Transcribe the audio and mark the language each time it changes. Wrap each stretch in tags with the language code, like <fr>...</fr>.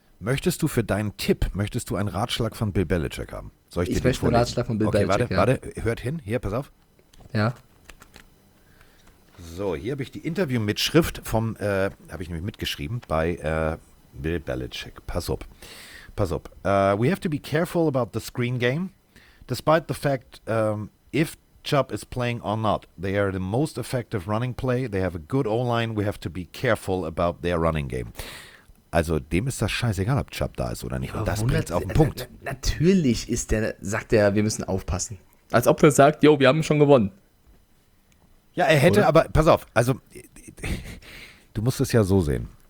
<de>Möchtest du für deinen Tipp, möchtest du einen Ratschlag von Bill Belichick haben? Soll ich dir den vorlesen? Einen Ratschlag von Bill Belichick. Okay, warte, hört hin. Hier, pass auf. Ja. So, hier habe ich die Interview-Mitschrift vom, habe ich nämlich mitgeschrieben, bei Bill Belichick. Pass up.</de> <en>We have to be careful about the screen game, despite the fact if Chubb is playing or not. They are the most effective running play. They have a good O-line. We have to be careful about their running game.</en> <de>Also dem ist das scheißegal, ob Chubb da ist oder nicht. Und das bringt es auf den Punkt. Natürlich sagt er, wir müssen aufpassen. Als ob er sagt, jo, wir haben schon gewonnen. Ja, er hätte, oder? Aber pass auf. Also du musst es ja so sehen.</de>